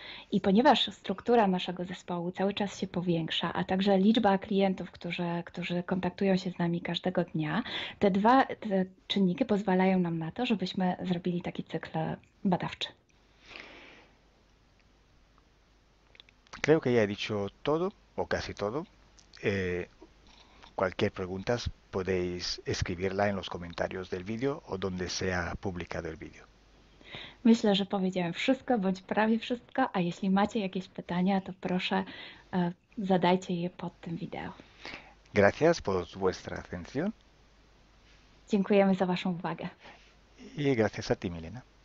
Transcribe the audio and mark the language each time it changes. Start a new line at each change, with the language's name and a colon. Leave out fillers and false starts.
Polish: I ponieważ struktura naszego zespołu cały czas się powiększa, a także liczba klientów, którzy kontaktują się z nami każdego dnia, te czynniki pozwalają nam na to, żebyśmy zrobili taki cykl badawczy.
Spanish: Creo que ya he dicho todo, o casi todo. Cualquier pregunta podéis escribirla en los comentarios del vídeo o donde sea publicado el vídeo.
Polish: Myślę, że powiedziałem wszystko, bądź prawie wszystko, a jeśli macie jakieś pytania, to proszę, zadajcie je pod tym wideo.
Spanish: Gracias por vuestra atención.
Polish: Dziękujemy za waszą uwagę.
Spanish: Y gracias a ti, Milena.